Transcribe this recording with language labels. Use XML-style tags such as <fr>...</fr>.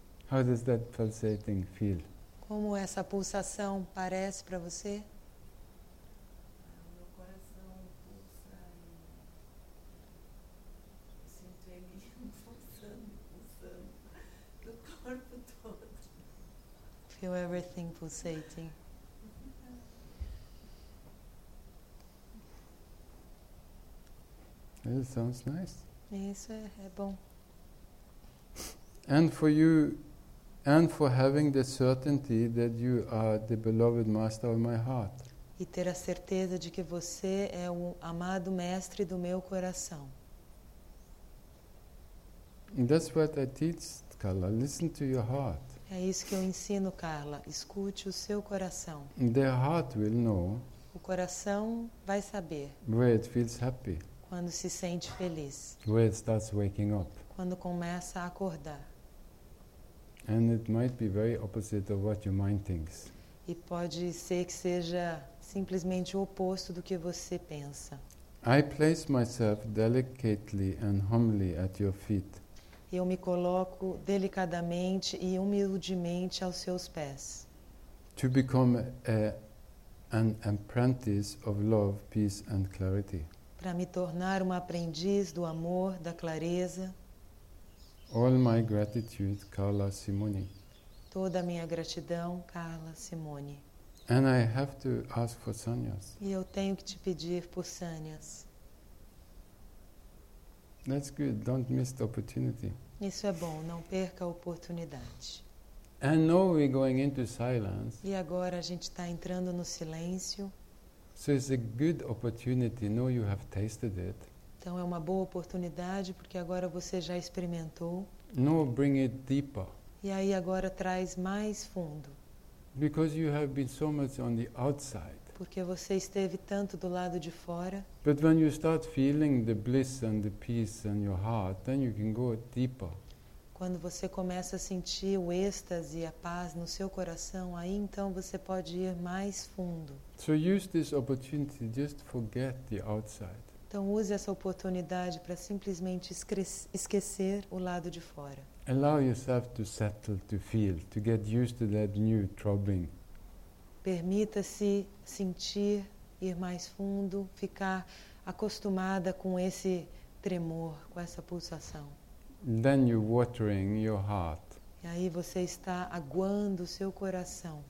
<en>How does that pulsating feel?</en> <pt>Como essa pulsação parece para você? Meu coração pulsa e sinto ele pulsando no corpo todo.</pt> <en>Feel everything pulsating. It sounds nice.</en> <pt>Isso é bom.</pt> <en>And for you, and for having the certainty that you are the beloved master of my heart.</en> <pt>E ter a certeza de que você é o amado mestre do meu coração.</pt> <en>And that's what I teach, Carla. Listen to your heart.</en> <pt>É isso que eu ensino, Carla. Escute o seu coração.</pt> <en>The heart will know.</en> <pt>O coração vai saber.</pt> <en>Where it feels happy.</en> <pt>Quando se sente feliz.</pt> <en>Where it starts waking up.</en> <pt>Quando começa a acordar.</pt> <en>And it might be very opposite of what your mind thinks.</en> <pt>E pode ser que seja simplesmente o oposto do que você pensa.</pt> <en>I place myself delicately and humbly at your feet.</en> <pt>Eu me coloco delicadamente e humildemente aos seus pés.</pt> <en>To become an apprentice of love, peace and clarity.</en> <pt>Para me tornar uma aprendiz do amor, da clareza.</pt> <en>All my gratitude, Carla Simone.</en> <pt>Toda a minha gratidão, Carla Simone.</pt> <en>And I have to ask for sannyas.</en> <pt>E eu tenho que te pedir por sannyas.</pt> <en>That's good. Don't miss the opportunity.</en> <pt>Isso é bom. Não perca a oportunidade.</pt> <en>And now we're going into silence.</en> <pt>E agora a gente está entrando no silêncio.</pt> <en>So it's a good opportunity, now you have tasted it.</en> <pt>Então é uma boa oportunidade porque agora você já experimentou.</pt> <en>Now bring it deeper.</en> <pt>E aí agora traz mais fundo.</pt> <en>Because you have been so much on the outside.</en> <pt>Porque você esteve tanto do lado de fora.</pt> <en>But when you start feeling the bliss and the peace in your heart, then you can go deeper.</en> <pt>Quando você começa a sentir o êxtase e a paz no seu coração, aí então você pode ir mais fundo.</pt> <en>So use this opportunity, just forget the outside.</en> <pt>Então use essa oportunidade para simplesmente esquecer o lado de fora.</pt> <en>Allow yourself to settle, to feel, to get used to that new troubling.</en> <pt>Permita-se sentir, ir mais fundo, ficar acostumada com esse tremor, com essa pulsação.</pt> <en>Then you're watering your heart.</en> <pt>E aí você está aguando o seu coração.</pt>